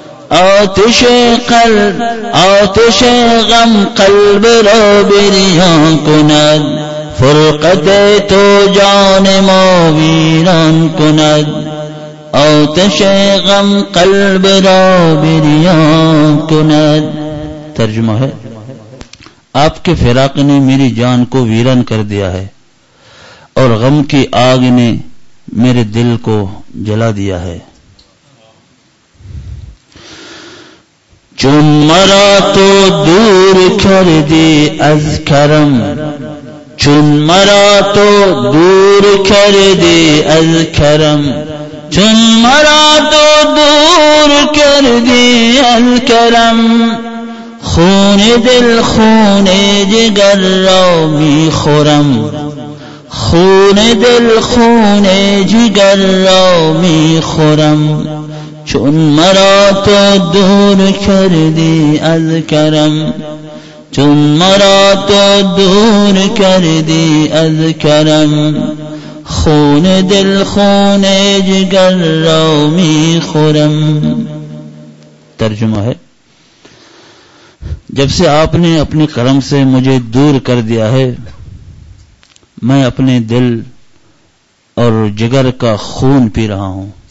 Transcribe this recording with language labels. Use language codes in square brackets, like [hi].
[fa] آتش قلب آتش غم قلب را بریان کند، فرقتِ تو جان ما ویران کند، آتش غم قلب را بریان کند. [ur] ترجمہ ہے، آپ کے فراق نے میری جان کو ویران کر دیا ہے اور غم کی آگ نے میرے دل کو جلا دیا ہے. [fa] چون مرا تو دور کر دی از کرم، چون مرا تو دور کر دی از کرم، چون مرا تو دور کر دی از کرم، خون دل خون جگر را می خورم، خون دل خون جگر را می خورم، چون مرا تو دور کر دی از کرم، چون مرا تو دور کر دی از کرم، خون دل خون جگر را می خورم. [ur] ترجمہ ہے، جب سے آپ نے اپنے کرم سے مجھے دور کر دیا ہے، میں اپنے دل اور جگر کا خون پی رہا ہوں.